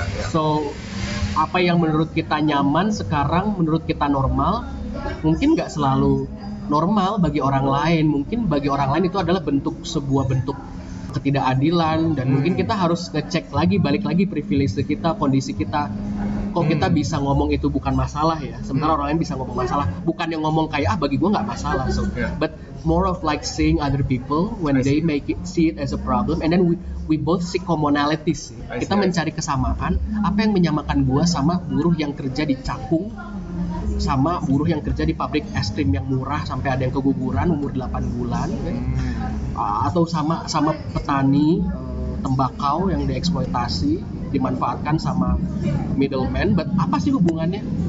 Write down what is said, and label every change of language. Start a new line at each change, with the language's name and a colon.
Indonesian: So apa yang menurut kita nyaman sekarang, menurut kita normal, mungkin nggak selalu normal bagi orang lain. Mungkin bagi orang lain itu adalah bentuk sebuah bentuk ketidakadilan, dan mungkin kita harus ngecek lagi, balik lagi privilege kita, kondisi kita, kok kita bisa ngomong itu bukan masalah ya, sementara orang lain bisa ngomong masalah. Bukan yang ngomong kayak ah bagi gua nggak masalah,
English: so but more of like seeing other people when they make it, see it as a problem, and then we both seek commonalities.
Indonesian: Kita mencari kesamaan, apa yang menyamakan gua sama buruh yang kerja di Cakung, sama buruh yang kerja di pabrik es krim yang murah sampai ada yang keguguran umur 8 bulan, atau sama petani tembakau yang dieksploitasi, dimanfaatkan sama middleman, but apa sih hubungannya?